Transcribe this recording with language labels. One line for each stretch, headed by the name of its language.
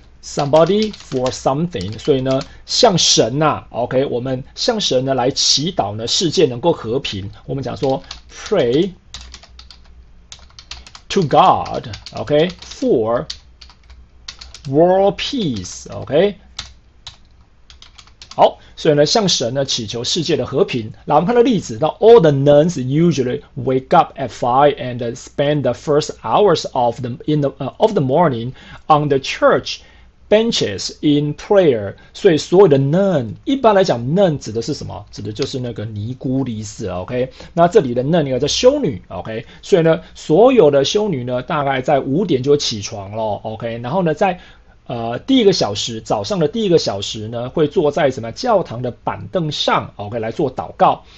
English: somebody for something，
Chinese: 所以呢，向神呐、啊、，OK， 我们向神呢来祈祷呢，世界能够和平。我们讲说
English: pray to God， OK， for world peace， OK。
Chinese: 好，所以呢，向神呢祈求世界的和平。那我们看到例子，那
English: all the nuns usually wake up at 5 and spend the first hours of the of the morning on the church benches in prayer。
Chinese: 所以所有的 nun， 一般来讲 ，nun 指的是什么？指的就是那个尼姑离世 ，OK。那这里的 nun 应该叫修女 ，OK。所以呢，所有的修女呢，大概在五点就起床了 ，OK。然后呢，在第一个小时，早上的第一个小时呢，会坐在什么教堂的板凳上 ，OK， 来做祷告。